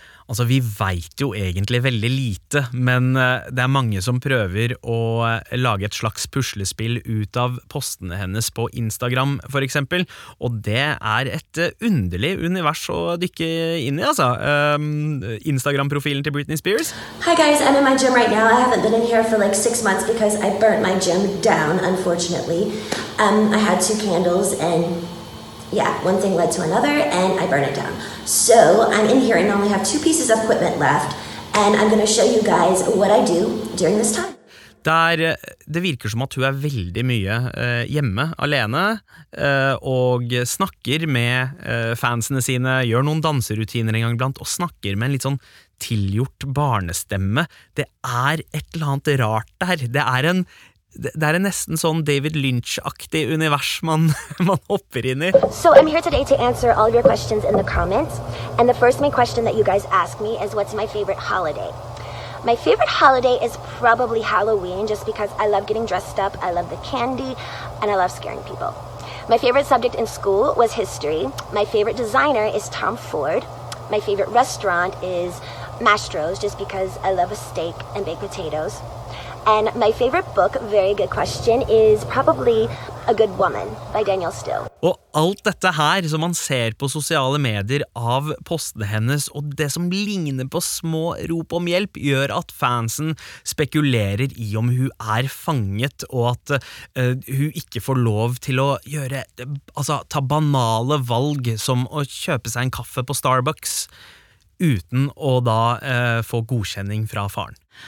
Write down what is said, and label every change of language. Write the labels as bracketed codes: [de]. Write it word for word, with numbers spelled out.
[no] Altså, vi vet jo egentlig veldig lite, men det er mange som prøver å lage et slags puslespill ut av postene hennes på Instagram, for eksempel. Og det er et underlig univers å dykke inn i, altså. Um, Instagram-profilen til Britney Spears. [en] Hi guys, I'm in my gym right now. I haven't been in here for like six months because I burnt my gym down, unfortunately. Um, I had two candles and... Yeah, one thing led to another, and I burn it down. So I'm in here and only have two pieces of equipment left, and I'm going to show you guys what I do during this time. [no] Der, det virker som at hun er veldig mye eh, hjemme, alene, eh, og snakker med eh, fansene sine, gjør noen danserutiner en gang iblant, og snakker med en litt sånn tilgjort barnestemme. Det er et eller annet rart der. Det er en Det er nesten sånn David Lynch-aktig univers man, man hopper inn i. [en] So I'm here today to answer all of your questions in the comments. And the first main question that you guys ask me is, what's my favorite holiday? My favorite holiday is probably Halloween, just because I love getting dressed up, I love the candy, and I love scaring people. My favorite subject in school was history. My favorite designer is Tom Ford. My favorite restaurant is Mastro's, just because I love a steak and baked potatoes. And my favorite book, very good question, is probably A Good Woman by Danielle Still. [no] Og alt dette her som man ser på sosiale medier av postene hennes, og det som ligner på små rop om hjelp, gjør at fansen spekulerer i om hun er fanget, og at uh, hun ikke får lov til å gjøre, altså, ta banale valg som å kjøpe seg en kaffe på Starbucks, uten å da uh, få godkjenning fra faren.